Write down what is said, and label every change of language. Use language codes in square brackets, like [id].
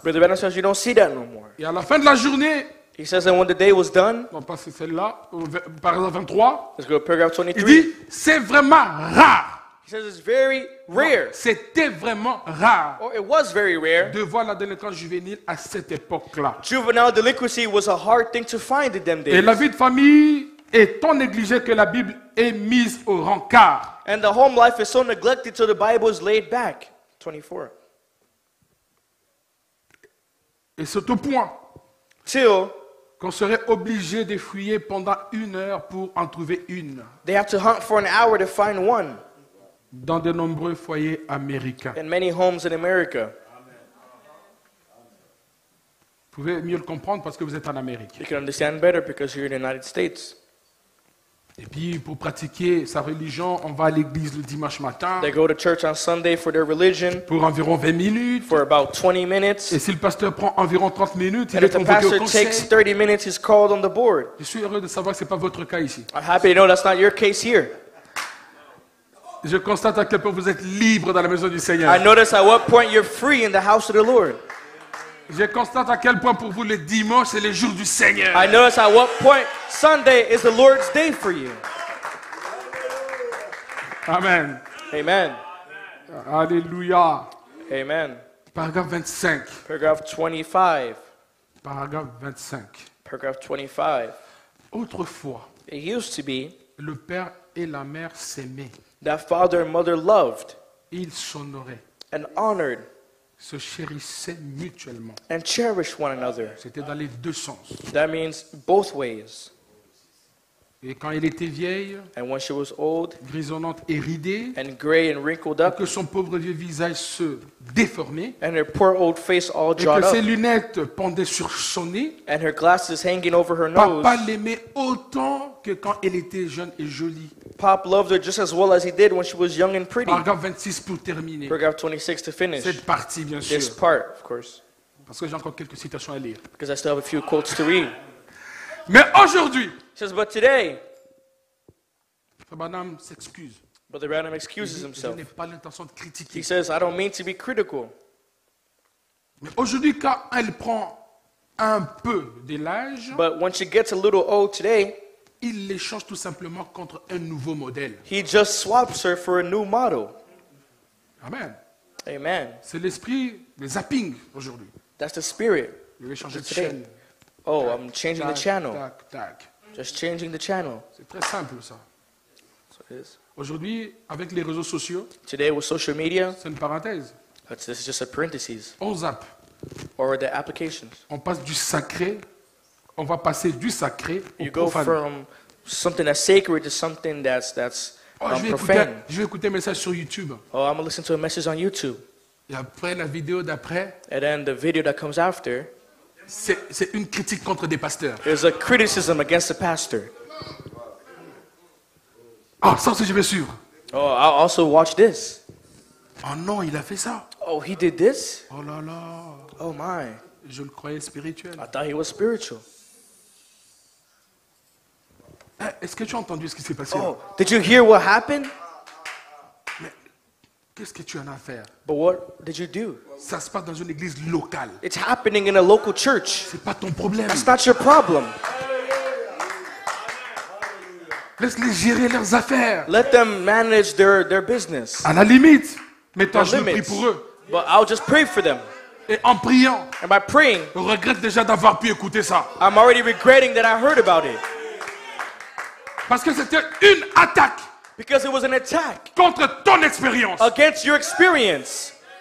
[en] Brother Branham says you don't see that no more. [fr] Et à la fin de la journée. [en] He says that when the day was done. [fr] On va passer celle-là, par exemple 23. [en] Let's go to paragraph 23. [fr] Il dit, c'est vraiment rare. [en] He says it's very rare. [fr] Non, c'était vraiment rare. [en] Or it was very rare. [fr] De voir la délinquance juvénile à cette époque-là. [en] Juvenile delinquency was a hard thing to find in them days. [fr] Et la vie de famille est tant négligée que la Bible est mise au rencard. [en] And the home life is so neglected till the Bible is laid back. [fr] 24. Et c'est au point. [en] Till. [fr] Qu'on serait obligé de fuir pendant une heure pour en trouver une. [en] They have to hunt for an hour to find one. [fr] Dans de nombreux foyers américains. [en] In many homes in America. [fr] Vous pouvez mieux le comprendre parce que vous êtes en Amérique. [en] You can understand better because you're in the United States. [fr] Et puis pour pratiquer sa religion, on va à l'église le dimanche matin. [en] They go to church on Sunday for their religion. [fr] Pour environ 20 minutes. [en] For about 20 minutes. [fr] Et si le pasteur prend environ 30 minutes, [en] and [fr] il est convoqué au conseil. [en] If the pastor takes 30 minutes, he's called on the board. [fr] Je suis heureux de savoir que c'est pas votre cas ici. [en] I'm happy to know that's not your case here. [fr] Je constate à quel point vous êtes libre dans la maison du Seigneur. [en] I notice at what point you're free in the house of the Lord. [fr] Je constate à quel point pour vous le dimanche c'est le jour du Seigneur. [en] I notice at what point Sunday is the Lord's day for you. [fr] Amen. [en] Amen. [fr] Alléluia. [en] Amen. [fr] Paragraphe 25. [en] Paragraph 25. [fr] Paragraphe 25. [en] Paragraph 25. [fr] Autrefois, [en] it used to be, [fr] le père et la mère s'aimaient. [en] That father and mother loved. [fr] Ils s'honoraient. [en] And honored. [fr] Se chérissaient mutuellement. [en] And cherished one another. [fr] C'était dans les deux sens. [en] That means both ways. [fr] Et quand elle était vieille, [en] and when she was old, [fr] grisonnante et ridée, [en] and gray and wrinkled up, [fr] que son pauvre vieux visage se déformait, [en] and her poor old face all [fr] et [en] drawn [fr] que [en] up, [fr] ses lunettes pendaient sur son nez, [en] and her glasses hanging over her [fr] papa [en] nose, [fr] papa l'aimait autant que quand elle était jeune et jolie. [en] Pop loved her just as well as he did when she was young and pretty. [fr] Paragraphe 26 pour terminer. [en] Paragraph 26 to finish. [fr] Cette partie, bien sûr. [en] This part, of course. [fr] Parce que j'ai encore quelques citations à lire. [en] Because I still have a few quotes to read. [fr] Mais aujourd'hui, [en] he says, but today, [fr] Frère Branham s'excuse. [en] Brother Branham excuses himself. [fr] Je n'ai pas l'intention de critiquer. [en] He says, I don't mean to be critical. [fr] Mais aujourd'hui, quand elle prend un peu de l'âge, [en] but when she gets a little old today, [fr] il l'échange tout simplement contre un nouveau modèle. [en] He just swaps her for a new model. [fr] Amen. [en] Amen. [fr] C'est l'esprit de zapping aujourd'hui. [en] That's the spirit. [fr] Il veut changer de chaîne. [en] Oh, tac, I'm changing tac, the channel. Tac, tac. Just changing the channel. [fr] C'est très simple ça. [en] So it is. [fr] Aujourd'hui, avec les réseaux sociaux. [en] Today with social media. [fr] C'est une parenthèse. [en] This is just a parenthesis. [fr] On zap. [en] Or the applications. [fr] On passe du sacré. On va passer du sacré [en] you [fr] au profane. [en] You go from something that's sacred to something that's profane. [fr] Je vais écouter un message sur YouTube. [en] Oh, I'm gonna listen to a message on YouTube. [fr] Et après la vidéo d'après. [en] And then the video that comes after. [fr] C'est une critique contre des pasteurs. [en] It's a criticism against the pastor. [fr] Ah, ça aussi je vais suivre. [en] Oh, I'll also watch this. [fr] Oh non, il a fait ça. [en] Oh, he did this. [fr] Oh là là. [en] Oh my. [fr] Je le croyais spirituel. [en] I thought he was spiritual. [fr] Est-ce que tu as entendu ce qui s'est passé? [en] Oh, did you hear what happened? [fr] Mais qu'est-ce que tu en as à faire? [en] But what did you do? [fr] Ça se passe dans une église locale. [en] It's happening in a local church. [fr] C'est pas ton problème. [en] That's not your problem. [fr] Laisse-les gérer leurs affaires. [en] Let them manage their business. [fr] À la limite, mais toi, je prie pour eux. [en] But I'll just pray for them. [fr] Et en priant, [en] and by praying, [fr] je regrette déjà d'avoir pu écouter ça. [en] I'm already regretting that I heard about it. [fr] Parce que c'était une attaque. [en] Because it was an attack. [fr] Contre ton expérience. [en] Against your experience.